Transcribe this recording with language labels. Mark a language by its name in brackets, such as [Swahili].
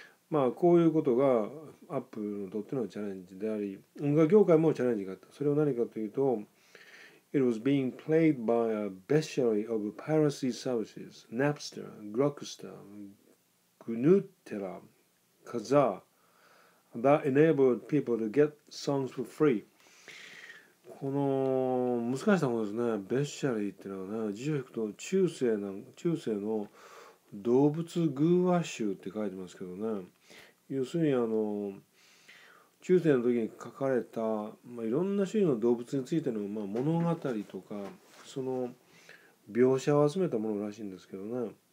[Japanese] まあこういうことがアップルにとってのチャレンジであり、音楽業界もチャレンジがあった。それは何かというと、 [English] It was being played by a bestiary of piracy services Napster, Grokster, Gnutella, Kazaa that enabled people to get songs for free。 [Japanese] この難しい単語ですね。ベッシャリーっていうのはね、辞書引くと中世の動物偶話集って書いてますけどね。要するに中世の時に書かれた、まあ、いろんな種類の動物についての、まあ、物語とかその描写を集めたものらしいんですけどね。